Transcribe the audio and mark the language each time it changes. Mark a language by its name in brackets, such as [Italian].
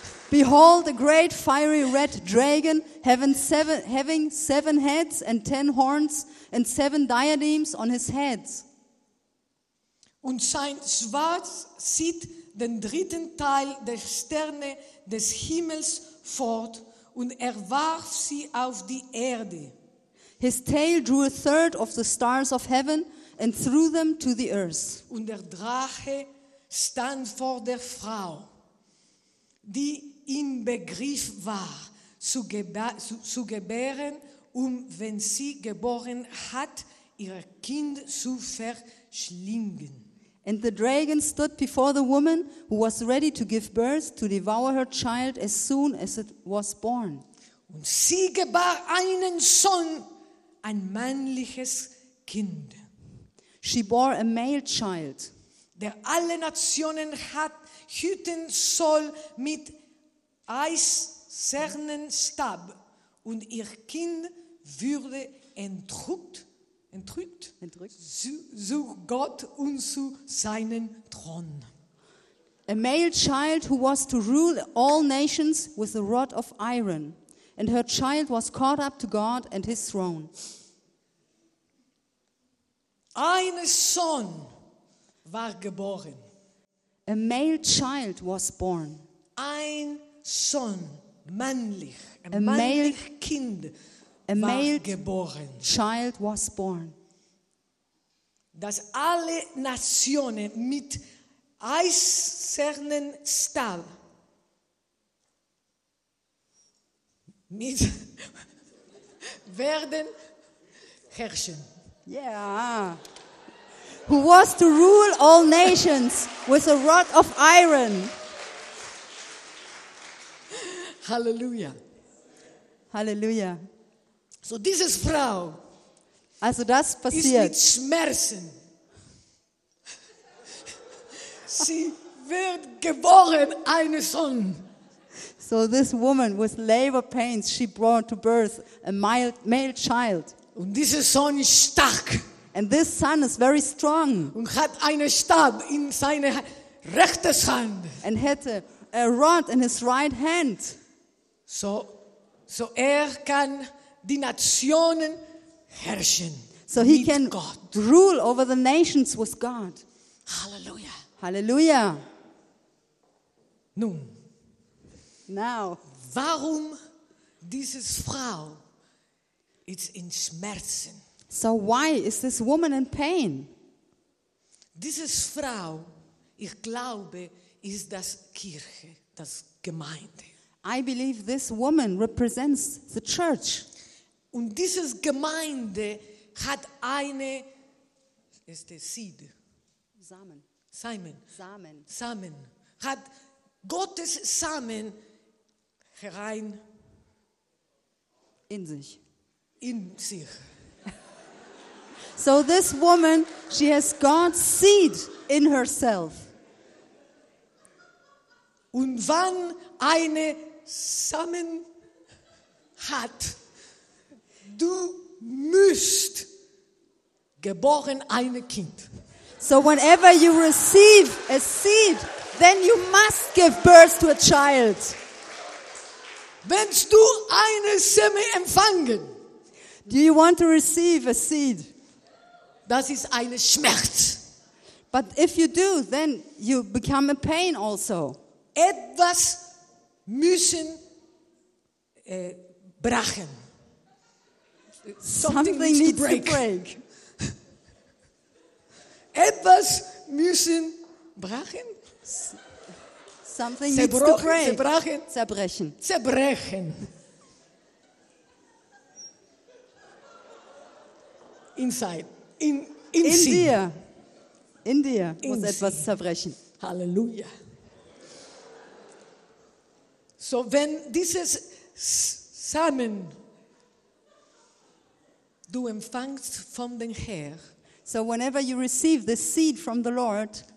[English] Behold, a great fiery red dragon, having seven heads and 10 horns and 7 diadems on his heads. [German] Und sein Schwanz zieht den dritten Teil der Sterne des Himmels fort und warf sie auf die Erde. [English] His tail drew a third of the stars of heaven and threw them to the earth. [German] Und der Drache stand vor der Frau, die im Begriff war, zu gebären, um, wenn sie geboren hat, ihr Kind zu verschlingen. [English] And the dragon stood before the woman, who was ready to give birth, to devour her child as soon as it was born. [German] Und sie gebar einen Sohn, ein männliches Kind. [English] She bore a male child, [German] der alle Nationen hat hüten soll mit eisernen Stab, und ihr Kind würde entrückt zu Gott und zu seinem Thron. [English] A male child who was to rule all nations with a rod of iron, and her child was caught up to God and his throne. [German] Ein Sohn war geboren. [English] A male child was born. [German] Ein Sohn, männlich, ein Kind war geboren. [English] Child was born. [German] Dass alle Nationen mit eisernen Stab mit werden herrschen. [English] Yeah. Who was to rule all nations with a rod of iron? Hallelujah. Hallelujah. [German] So diese Frau. Also das passiert. Ist mit Schmerzen. Sie wird geboren eine Sohn. [English] So this woman with labor pains, she brought to birth a male child. [German] Und dieser Sohn ist stark. [English] And this son is very strong. [German] Und hat einen Stab in seine rechte Hand. [English] And had a rod in his right hand. [German] So kann die Nationen herrschen. [English] So he [German] mit [English] can [German] Gott. [English] Rule over the nations with God. Hallelujah. [German] Halleluja. Nun. [English] Now. [German] Warum dieses Frau ist in Schmerzen? [English] So why is this woman in pain? [German] Dieses Frau, ich glaube, ist das Kirche, das Gemeinde. [English] I believe this woman represents the church. [German] Und dieses Gemeinde hat eine ist der Seed. Samen. Simon. Samen. Samen. Hat Gottes Samen herein in sich. In sich. [English] So this woman, she has God's seed in herself. [German] Und wann eine Samen hat, du müsst geboren ein Kind. [English] So whenever you receive a seed, then you must give birth to a child. [German] Wennst du eine Samen empfangen? [English] Do you want to receive a seed? [German] Das ist eine Schmerz. [English] But if you do, then you become a pain also. [German] Etwas müssen brachen. [English] Something needs to break. [German] Etwas müssen brachen. [English] Something needs to break. [German] Zerbrechen. Zerbrechen. Zerbrechen. Inside. In dir muss etwas zerbrechen. Halleluja. So, wenn dieses Samen du empfängst von dem Herr, [English] so whenever you receive the seed from the Lord,